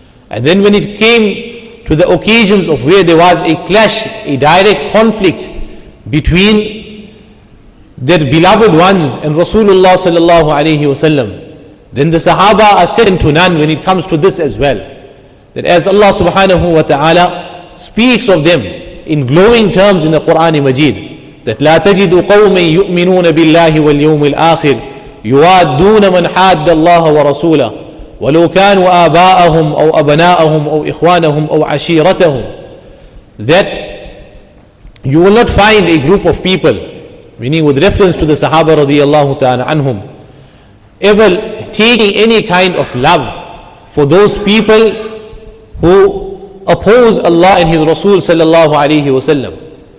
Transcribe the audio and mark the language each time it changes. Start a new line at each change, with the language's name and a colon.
English: And then when it came to the occasions of where there was a clash, a direct conflict between their beloved ones and Rasulullah sallallahu alayhi wasallam, then the Sahaba are second to none when it comes to this as well. That as Allah subhanahu wa ta'ala speaks of them in glowing terms in the Quran Majid, that
Arabic: لا تجد قوما يؤمنون بالله واليوم الآخر يوادون من حاد الله ورسوله ولو كانوا آباءهم أو أبناءهم أو إخوانهم أو عشيرتهم.
English: That you will not find a group of people, meaning with reference to the Sahaba radiallahu ta'ala anhum, ever taking any kind of love for those people who oppose Allah and His Rasul sallallahu alayhi wasallam.